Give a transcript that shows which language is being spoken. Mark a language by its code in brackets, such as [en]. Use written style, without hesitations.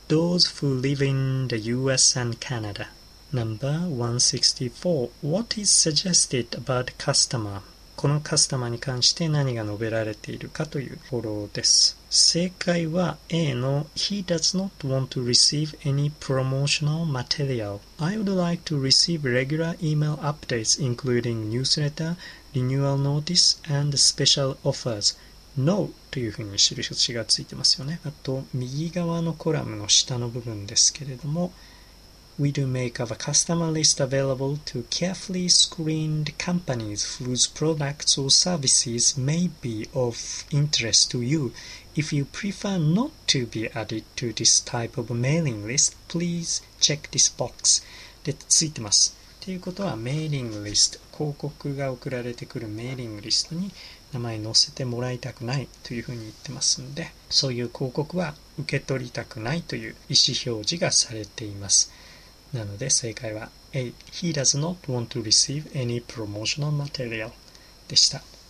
[en] Those who live in the US and Canada. Number 164. What is suggested about customer? [ja] このカスタマーに関して何が述べられているかというフォローです。正解は A の [en] He does not want to receive any promotional material. I would like to receive regular email updates including newsletter, renewal notice and special offers. No [ja] というふうに印がついてますよね。あと、右側のコラムの下の部分ですけれども、 [en] We do make a customer list available to carefully screened companies whose products or services may be of interest to you. If you prefer not to be added to this type of mailing list, please check this box. [ja] で、ついてます。ということは、メーリングリスト、広告が送られてくるメーリングリストに名前載せてもらいたくないというふうに言ってますので、そういう広告は受け取りたくないという意思表示がされています。なので正解は [en] A. He does not want to receive any promotional material でした。